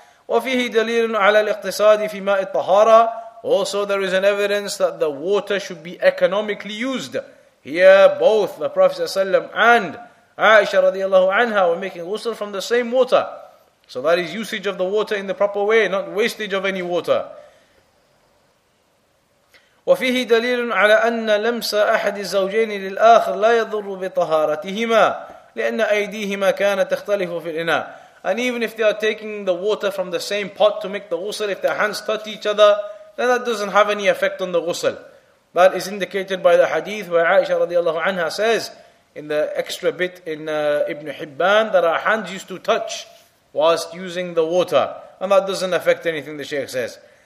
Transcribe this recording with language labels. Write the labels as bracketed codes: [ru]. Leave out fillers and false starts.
[ar] وَفِيهِ دَلِيلٌ عَلَى الْإِقْتِصَادِ فِي مَاءِ الطَّهَارَةِ, [en] also there is an evidence that the water should be economically used. Here both the Prophet ﷺ and Aisha radiallahu anha were making ghusl from the same water. So that is usage of the water in the proper way, not wastage of any water. [ar] وفيه دليل على أن لمس أحد الزوجين للآخر لا يضر بطهارتهما لأن أيديهما كانت تختلف في الإناء. [en] And even if they are taking the water from the same pot to make the ghusl, if their hands touch each other, then that doesn't have any effect on the ghusl. That is indicated by the hadith where Aisha radiallahu anha says in the extra bit in Ibn Hibban that our hands used to touch whilst using the water, and that doesn't affect anything, the Shaykh says.